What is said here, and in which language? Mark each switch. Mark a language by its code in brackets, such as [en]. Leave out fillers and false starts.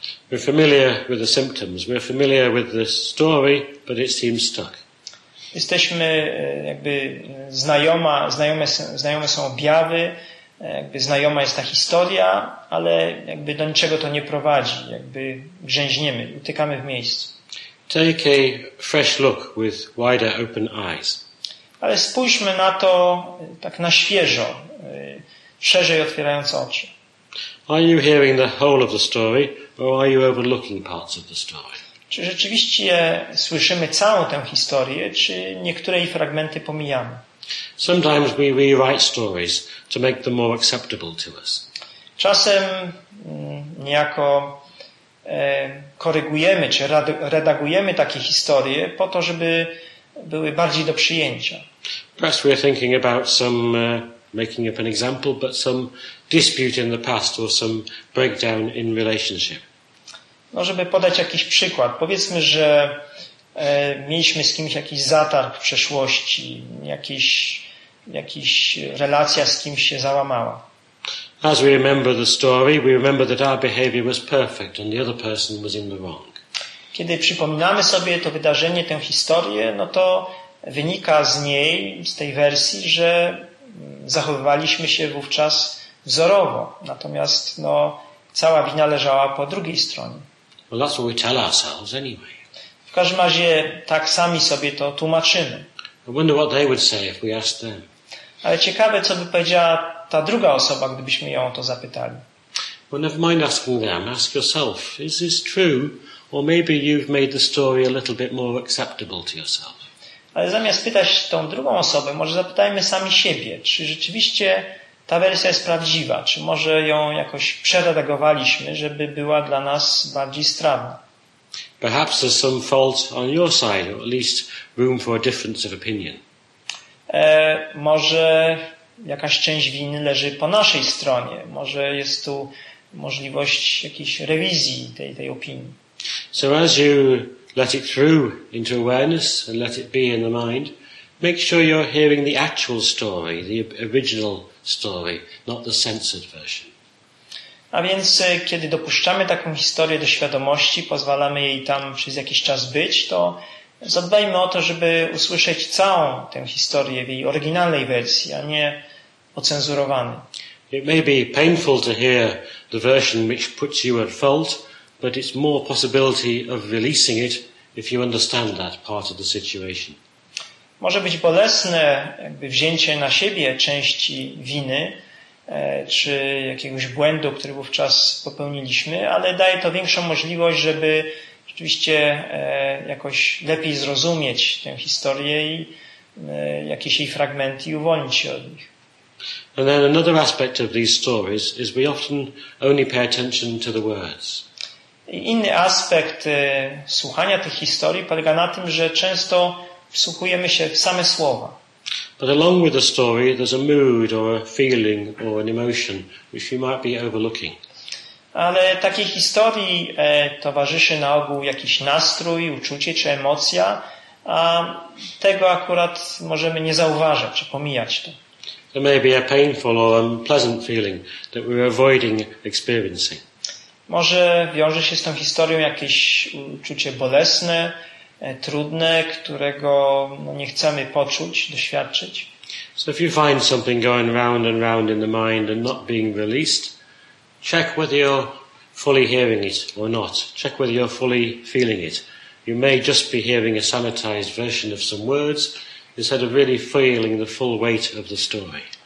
[en] We're familiar with the symptoms, we're familiar with the story, but it seems stuck. [pl] Jesteśmy jakby znajome są objawy, jakby znajoma jest ta historia, ale jakby do niczego to nie prowadzi, jakby grzęźniemy, utykamy w miejscu. [en] Take a fresh look with wider open eyes. [pl] Ale spójrzmy na to tak na świeżo, szerzej otwierając oczy. [en] Are you hearing the whole of the story, or are you overlooking parts of the story? [pl] Czy rzeczywiście słyszymy całą tę historię, czy niektóre jej fragmenty pomijamy? [en] Sometimes we rewrite stories to make them more acceptable to us. [pl] Czasem niejako korygujemy czy redagujemy takie historie po to, żeby były bardziej do przyjęcia. [en] Perhaps we are thinking about making up an example, but some dispute in the past or some breakdown in relationship. [pl] No, żeby podać jakiś przykład. Powiedzmy, że mieliśmy z kimś jakiś zatarg w przeszłości, jakiś relacja z kimś się załamała. [en] As we remember the story, we remember that our behavior was perfect and the other person was in the wrong. [pl] Kiedy przypominamy sobie to wydarzenie, tę historię, no to wynika z niej, z tej wersji, że zachowywaliśmy się wówczas wzorowo. Natomiast no, cała wina leżała po drugiej stronie. [en] Well, that's what we tell ourselves anyway. [pl] W każdym razie tak sami sobie to tłumaczymy. [en] I wonder what they would say if we asked them. [pl] Ale ciekawe, co by powiedziała ta druga osoba, gdybyśmy ją o to zapytali. [en] Well, never mind asking them, ask yourself, is this true? Or maybe you've made the story a little bit more acceptable to yourself. [pl] Ale zamiast pytać tą drugą osobę, może zapytajmy sami siebie, czy rzeczywiście ta wersja jest prawdziwa, czy może ją jakoś przeredagowaliśmy, żeby była dla nas bardziej strawna. [en] Perhaps there's some fault on your side, or at least room for a difference of opinion. [pl] Może jakaś część winy leży po naszej stronie. Może jest tu możliwość jakiejś rewizji tej opinii. [en] So as you let it through into awareness and let it be in the mind, make sure you're hearing the actual story, the original story, not the censored version. [pl] A więc, kiedy dopuszczamy taką historię do świadomości, pozwalamy jej tam przez jakiś czas być, to zadbajmy o to, żeby usłyszeć całą tę historię w jej oryginalnej wersji, a nie ocenzurowanej. [en] It may be painful to hear the version which puts you at fault, but it's more possibility of releasing it if you understand that part of the situation. [pl] Może być bolesne jakby wzięcie na siebie części winy, czy jakiegoś błędu, który wówczas popełniliśmy, ale daje to większą możliwość, żeby rzeczywiście jakoś lepiej zrozumieć tę historię i jakieś jej fragmenty i uwolnić się od nich. [en] And then another aspect of these stories is we often only pay attention to the words. [pl] Inny aspekt słuchania tych historii polega na tym, że często wsłuchujemy się w same słowa. [en] But along with the story, there's a mood or a feeling or an emotion which you might be overlooking. [pl] Ale takiej historii towarzyszy na ogół jakiś nastrój, uczucie czy emocja, a tego akurat możemy nie zauważać czy pomijać to. [en] There may be a painful or unpleasant feeling that we're avoiding experiencing. [pl] Może wiąże się z tą historią jakieś uczucie bolesne, trudne, którego nie chcemy poczuć, doświadczyć. [en] So if you find something going round and round in the mind and not being released, check whether you're fully hearing it or not. Check whether you're fully feeling it. You may just be hearing a sanitized version of some words instead of really feeling the full weight of the story.